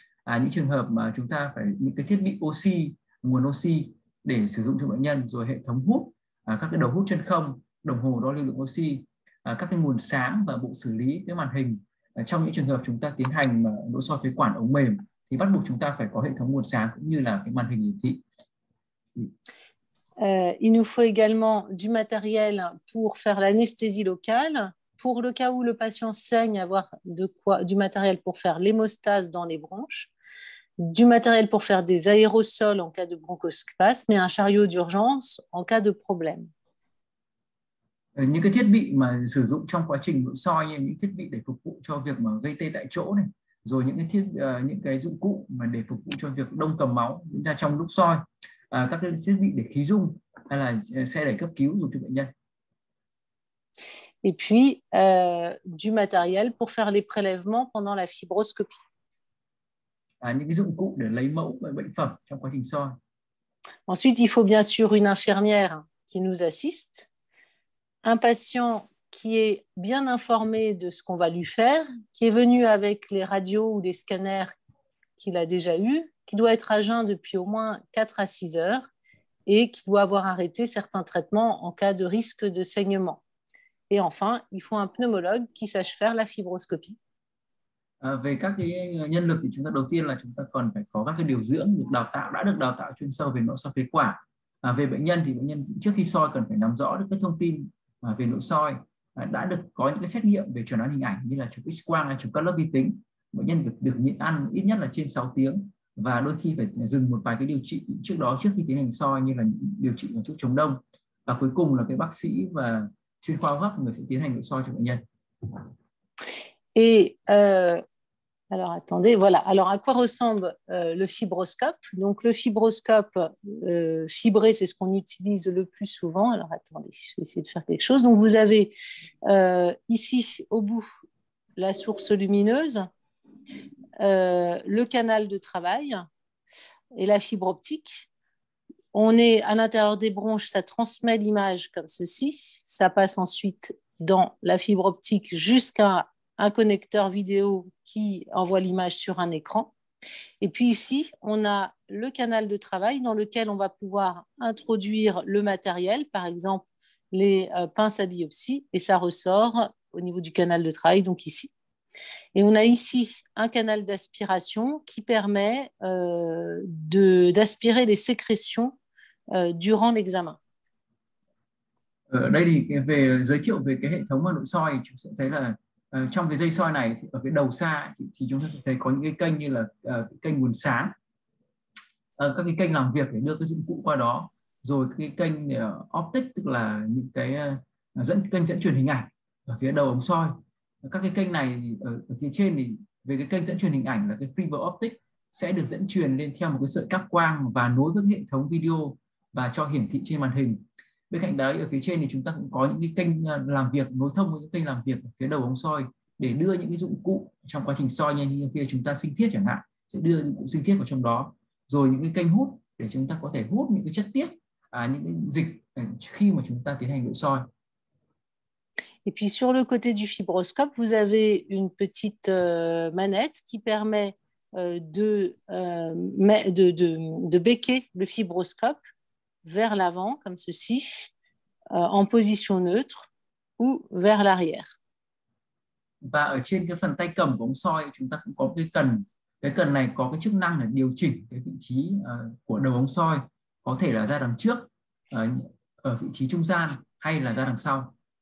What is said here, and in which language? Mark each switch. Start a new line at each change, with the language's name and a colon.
Vietnamese: À, những trường hợp mà chúng ta phải những cái thiết bị oxy, nguồn oxy để sử dụng cho bệnh nhân, rồi hệ thống hút, các cái đầu hút chân không, đồng hồ đo lưu lượng oxy, các cái nguồn sáng và bộ xử lý cái màn hình. Trong những trường hợp chúng ta tiến hành mà nội soi phế quản ống mềm thì bắt buộc chúng ta phải có hệ thống nguồn sáng cũng như là cái màn hình hiển thị.
French: Il nous faut également du matériel pour faire l'anesthésie locale, pour le cas où le patient saigne, avoir du matériel pour faire l'hémostase dans les bronches, du matériel pour faire des aérosols en cas de bronchospasme, mais un chariot d'urgence en cas de problème.
Vietnamese: Những cái thiết bị mà sử dụng trong quá trình nội soi như những thiết bị để phục vụ cho việc mà gây tê tại chỗ này, rồi những cái dụng cụ mà để phục vụ cho việc đông cầm máu diễn ra trong lúc soi, các cái thiết bị để khí dung hay là xe để cấp cứu dùng cho bệnh nhân.
French: Et puis du matériel pour faire les prélèvements pendant la fibroscopie.
Vietnamese: Những cái dụng cụ để lấy mẫu bệnh phẩm trong quá trình soi.
French: Ensuite, il faut bien sûr une infirmière qui nous assiste, un patient qui est bien informé de ce qu'on va lui faire, qui est venu avec les radios ou les scanners qu'il a déjà eus, qui doit être à jeun depuis au moins 4 à 6 heures et qui doit avoir arrêté certains traitements en cas de risque de saignement. Et enfin, il faut un pneumologue qui sache faire la fibroscopie.
Vietnamese: Về các cái nhân lực thì chúng ta đầu tiên là chúng ta còn phải có các cái điều dưỡng được đào tạo, đã được đào tạo chuyên sâu về nội soi phế quản. Về bệnh nhân thì bệnh nhân trước khi soi cần phải nắm rõ được cái thông tin về nội soi, đã được có những cái xét nghiệm về chẩn đoán hình ảnh như là chụp X-quang hay chụp cắt lớp vi tính. Bệnh nhân được nhịn ăn ít nhất là trên 6 tiếng và đôi khi phải dừng một vài cái điều trị trước đó trước khi tiến hành soi như là điều trị bằng thuốc chống đông. Và cuối cùng là cái bác sĩ và chuyên khoa gấp người sẽ tiến hành nội soi cho bệnh nhân.
French: Et alors attendez, voilà. Alors à quoi ressemble le fibroscope? Donc le fibroscope fibré, c'est ce qu'on utilise le plus souvent. Alors attendez, je vais essayer de faire quelque chose. Donc vous avez ici au bout la source lumineuse, le canal de travail et la fibre optique. On est à l'intérieur des bronches, ça transmet l'image comme ceci. Ça passe ensuite dans la fibre optique jusqu'à un connecteur vidéo qui envoie l'image sur un écran. Et puis ici, on a le canal de travail dans lequel on va pouvoir introduire le matériel, par exemple les pinces à biopsie, et ça ressort au niveau du canal de travail, donc ici. Et on a ici un canal d'aspiration qui permet d'aspirer les sécrétions durant l'examen.
Vietnamese: Ở đây thì về giới thiệu về cái hệ thống nội soi, chúng sẽ thấy là trong cái dây soi này ở cái đầu xa thì chúng ta sẽ thấy có những cái kênh như là kênh nguồn sáng, các cái kênh làm việc để đưa cái dụng cụ qua đó, rồi cái kênh optic tức là những cái kênh dẫn truyền hình ảnh ở phía đầu ống soi. Các cái kênh này ở phía trên thì về cái kênh dẫn truyền hình ảnh là cái fiber optic sẽ được dẫn truyền lên theo một cái sợi cáp quang và nối với hệ thống video và cho hiển thị trên màn hình. Bên cạnh đấy, ở phía trên thì chúng ta cũng có những cái kênh làm việc nối thông với những kênh làm việc phía đầu ống soi để đưa những cái dụng cụ trong quá trình soi như kia chúng ta sinh thiết chẳng hạn, sẽ đưa dụng cụ sinh thiết vào trong đó, rồi những cái kênh hút để chúng ta có thể hút những cái chất tiết, những cái dịch khi mà chúng ta tiến hành nội soi.
French: Et puis sur le côté du fibroscope, vous avez une petite manette qui permet de becquer le fibroscope vers l'avant, comme ceci, en position neutre ou vers l'arrière.
Vietnamese: Và ở trên cái phần tay cầm của ống soi, chúng ta cũng có cái cần này có cái chức năng là điều chỉnh cái vị trí của đầu ống soi, có thể là ra đằng trước, ở vị trí trung gian hay là ra đằng sau.